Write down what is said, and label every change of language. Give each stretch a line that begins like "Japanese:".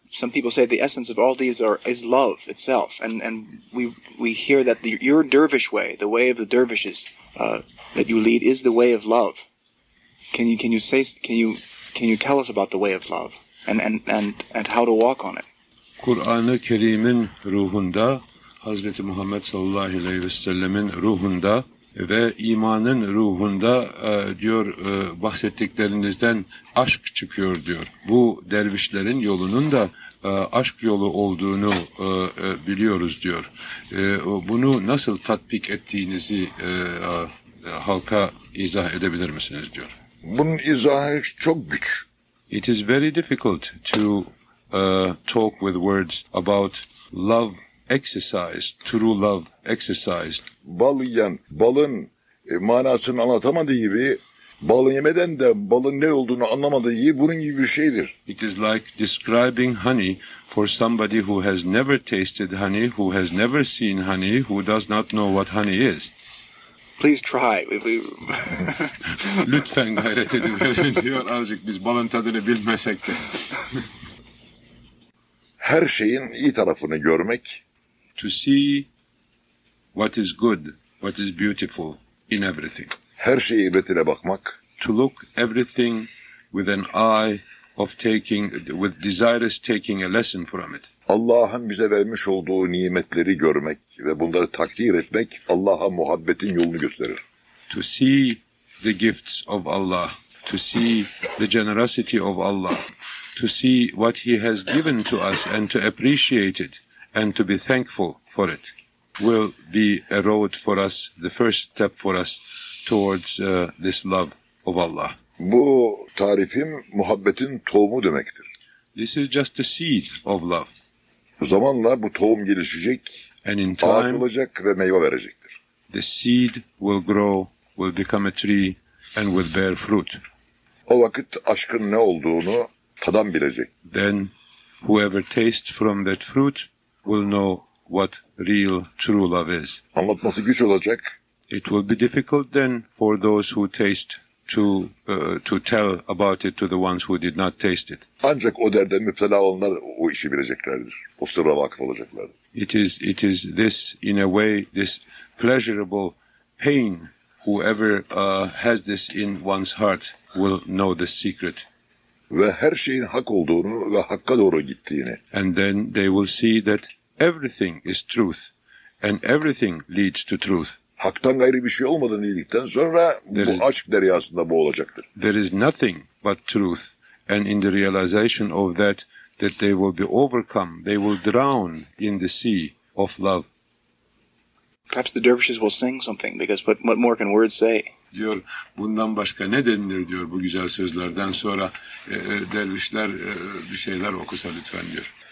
English: Some people say the essence of all these is love itself, and we hear that your dervish way, the way of the dervishes that you lead, is the way of love. Can you tell us about the way of love and how to walk on it?
Turkish: Kur'an-ı Kerim'in ruhunda, Hazreti Muhammed sallallahu aleyhi ve sellemin ruhunda ve imanın ruhunda diyor, bahsettiklerinizden aşk çıkıyor diyor. Bu dervişlerin yolunun da aşk yolu olduğunu biliyoruz diyor. Bunu nasıl tatbik ettiğinizi halka izah edebilir misiniz diyor. Bunun izahı çok güç.
English: It is very difficult to talk with words about love exercise, true love exercise.
Turkish: Bal yiyen, balın manasını anlatamadığı gibi, bal yemeden de balın ne olduğunu anlamadığı gibi, bunun gibi bir şeydir.
English: It is like describing honey for somebody who has never tasted honey, who has never seen honey, who does not know what honey is. Please try.
Turkish: Lütfen gayret edin. Diyor azıcık biz balın tadını bilmesek de. Her şeyin iyi tarafını görmek.
English: To see what is good, what is beautiful in everything.
Turkish: Her şeyi ibretine bakmak.
English: To look everything with an eye of taking, with desirous taking a lesson from it.
Turkish: Allah'ın bize vermiş olduğu nimetleri görmek ve bunları takdir etmek Allah'a muhabbetin yolunu gösterir.
English: To see the gifts of Allah, to see the generosity of Allah, to see what He has given to us and to appreciate it and to be thankful for it will be a road for us, the first step for us towards this love of Allah.
Turkish: Bu tarifim muhabbetin tohumu demektir.
English: This is just the seed of love.
Turkish: Zamanla bu tohum gelişecek, ağaç olacak ve meyve verecektir.
English: The seed will grow, will become a tree and will bear fruit.
Turkish: O vakit aşkın ne olduğunu tadan bilecek.
English: Then whoever tastes from that fruit will know what real true love is.
Turkish: Anlatması güç olacak.
English: It will be difficult then for those who taste to tell about it to the ones who did not taste it.
Turkish: Ancak o derde müptela olanlar o işi bileceklerdir. O sırra vakıf olacaklardır.
English: It is this, in a way, this pleasurable pain, whoever has this in one's heart will know the secret.
Turkish: Ve her şeyin hak olduğunu ve hakka doğru gittiğini.
English: And then they will see that everything is truth and everything leads to truth.
Turkish: Hak'tan gayri bir şey olmadığını bildikten sonra
English: there
Turkish: bu aşk deryasında boğulacaktır.
English: There is nothing but truth, and in the realization of that, that they will be overcome, they will drown in the sea of love. Perhaps the dervishes will sing something, because what more can words say?
Turkish: Diyor, bundan başka ne denilir diyor bu güzel sözlerden sonra dervişler bir şeyler okusa lütfen diyor.